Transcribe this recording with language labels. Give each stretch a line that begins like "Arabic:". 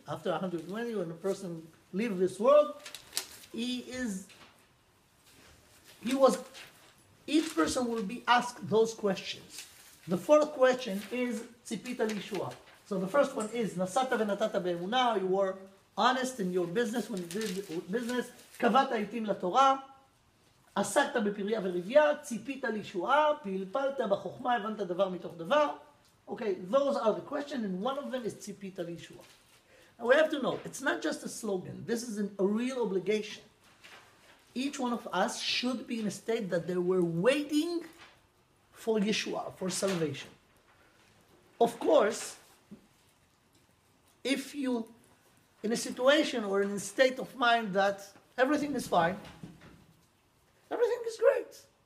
English: After 120, when a person leaves this world, each person will be asked those questions. The fourth question is
Hebrew: Tzipita Lishua.
English: So the first one is
Hebrew: Nasata Venatata Be'emunah,
English: you were honest in your business, when you did business,
Hebrew: קבעת עיתים לתורה, עסקת בפריה ורבייה, ציפית לישועה, פלפלת בחוכמה, הבנת דבר מתוך דבר.
English: Okay, those are the questions, and one of them is ציפית לישועה. Now we have to know, it's not just a slogan, this is a real obligation. Each one of us should be in a state that they were waiting for Yeshua, for salvation. Of course, if you in a situation or in a state of mind that everything is fine, everything is great.